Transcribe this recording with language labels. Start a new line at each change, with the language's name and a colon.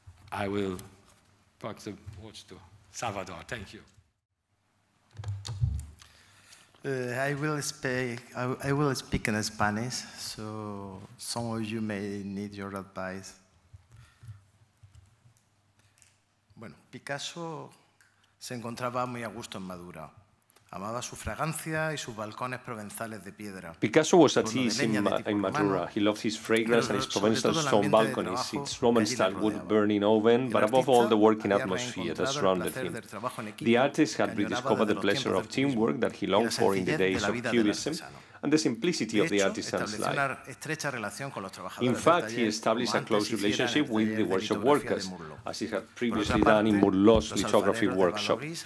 English: I will pass the words to Salvador. Thank you. I will speak in Spanish, so some of you may need your advice.
Spanish: Bueno, Picasso se encontraba muy a gusto en Madura. Amaba su fragancia y sus balcones provenzales de piedra.
English: Picasso was at ease in Madura. He loved his fragrance and his provincial stone balconies, its Roman style wood burning oven, but above all the working atmosphere that surrounded him. The artist had rediscovered the pleasure of teamwork that he longed for in the days of cubism, and the simplicity of the artisan's life. In fact, he established a close relationship with the workshop workers, as he had previously done in Murlot's lithography workshop.